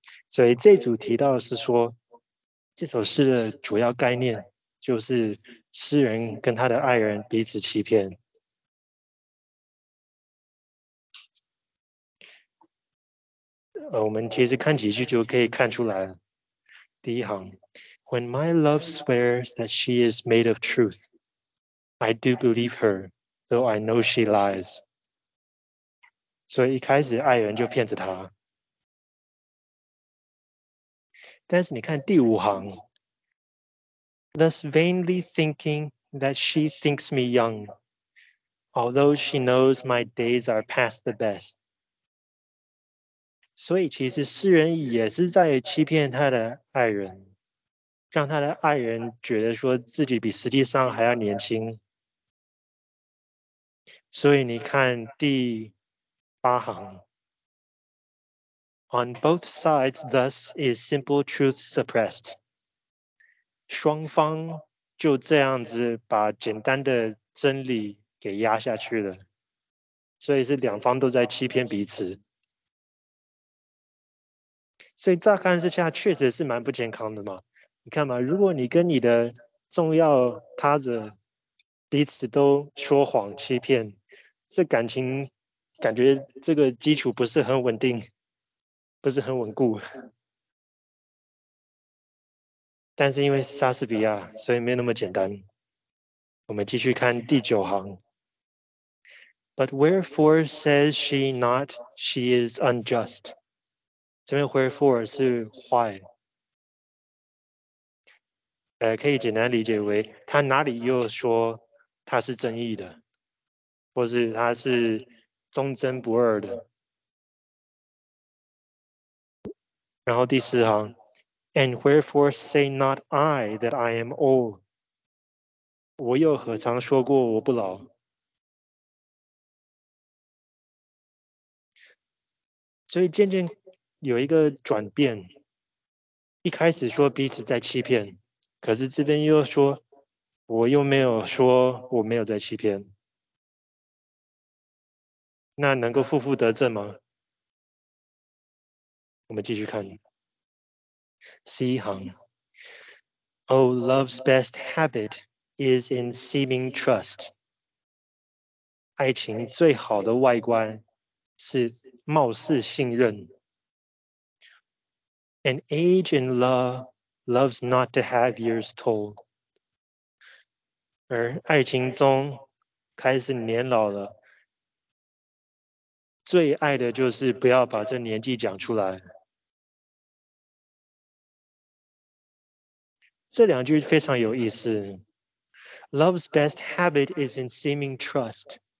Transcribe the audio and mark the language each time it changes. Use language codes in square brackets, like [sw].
[zh] 所以这组提到的是说，这首诗的主要概念就是诗人跟他的爱人彼此欺骗。我们其实看几句就可以看出来。第一行， [en] When my love swears that she is made of truth, I do believe her, though I know she lies. [zh] 所以一开始爱人就骗着她。但是你看第五行， [en] Thus vainly thinking that she thinks me young, although she knows my days are past the best. [zh] 所以其实诗人也是在欺骗他的爱人，让他的爱人觉得说自己比实际上还要年轻。所以你看第八行， [en] On both sides, thus is simple truth suppressed. [zh] 双方就这样子把简单的真理给压下去了，所以是两方都在欺骗彼此。所以乍看之下确实是蛮不健康的嘛。你看嘛，如果你跟你的重要他者彼此都说谎欺骗，这感情感觉这个基础不是很稳定，不是很稳固。但是因为莎士比亚，所以没那么简单。我们继续看第九行。 [en] But wherefore says she not she is unjust? [zh] 这边 wherefore 是 why？可以简单理解为他哪里又说他是正义的，或是他是忠贞不二的。然后第四行。 [en] And wherefore say not I that I am old? [zh] 我又何尝说过我不老？所以渐渐有一个转变。一开始说彼此在欺骗，可是这边又说，我又没有说我没有在欺骗。那能够负负得正吗？ [en] 我们继续看。 [zh] C 行 [en] Oh, love's best habit is in seeming trust. [zh] 爱情最好的外观是貌似信任。 [en] An age in love loves not to have years told. [zh] 而爱情中开始年老了，最爱的就是不要把这年纪讲出来。这两句非常有意思。 [en] Love's best habit is in seeming trust.